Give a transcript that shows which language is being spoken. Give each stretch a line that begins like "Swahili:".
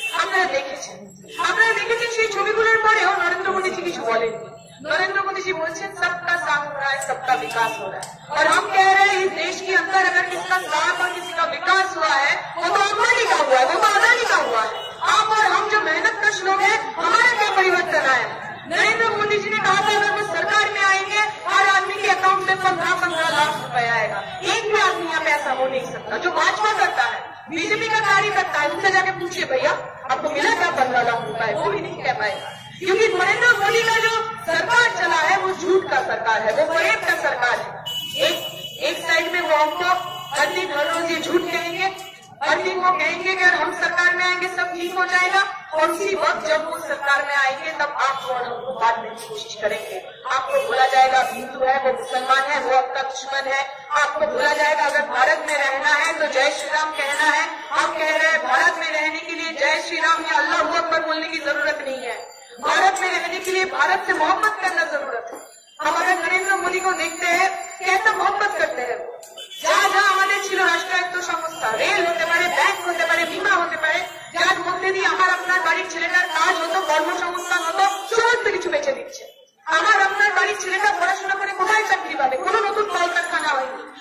Bangla: আপনারা দেখেছেন, আপনারা দেখেছেন সেই ছবিগুলোর পরেও নরেন্দ্র মোদীজি কিছু বলেননি। নরেন্দ্র মোদীজি বলছেন
Hindi: সবকা সাথ হো রাহা হ্যায় সবকা বিকাশ হো রাহা হ্যায়, আর হম কেহ রাহে হ্যায় ইস দেশ কি অন্দর আগর কিসকা সাথ আর কিসকা বিকাশ হুয়া হ্যায় ওহ তো অম্বানী কা হুয়া হ্যায়, ওহ তো আদানী কা হুয়া হ্যায়, आप और हम जो मेहनत कश लोग हैं हमारा क्या परिवर्तन आया। नरेंद्र मोदी जी ने कहा था अगर वो सरकार में आएंगे हर आदमी के अकाउंट में 15-15 लाख रुपए आएगा, एक भी आदमी यहाँ पे ऐसा हो नहीं सकता जो भाजपा करता है, बीजेपी का कार्य करता है, उनसे जाके पूछिए भैया आपको मिला क्या 15 लाख रुपए, वो भी नहीं कह पाएगा। क्योंकि नरेंद्र मोदी का जो सरकार चला है वो झूठ का सरकार है, वो फरेब का सरकार है। एक एक साइड में वो हमको हर दिन हर रोज ये झूठ कहेंगे, हर दिन वो कहेंगे कि अगर हम सरकार में आएंगे सब ठीक हो जाएगा, और उसी वक्त जब वो सरकार में आएंगे तब आप और हमको बांटने की कोशिश करेंगे, आपको बोला जाएगा हिंदू है वो मुसलमान है वो आपका दुश्मन है, आपको बोला जाएगा अगर भारत में रहना है तो जय श्री राम कहना है, हम कह रहे हैं भारत में रहने के लिए जय श्री राम या अल्लाह अकबर बोलने की जरूरत नहीं है, भारत में रहने के लिए भारत से मोहब्बत करना जरूरत है। हम अगर नरेंद्र मोदी को देखते हैं कैसा मोहब्बत करते हैं,
Bangla: যা যা আমাদের ছিল রাষ্ট্রায়ত্ত সংস্থা, রেল হতে পারে, ব্যাংক হতে পারে, বিমা হতে পারে, যার মধ্যে দিয়ে আমার আপনার বাড়ির ছেলেটার কাজ হতো, কর্মসংস্থান হতো, সমস্ত কিছু বেঁচে দিচ্ছে। আমার আপনার বাড়ির ছেলেটা পড়াশোনা করে কোথায় চাকরি পাবে, কোনো নতুন কলকারখানা হয়নি।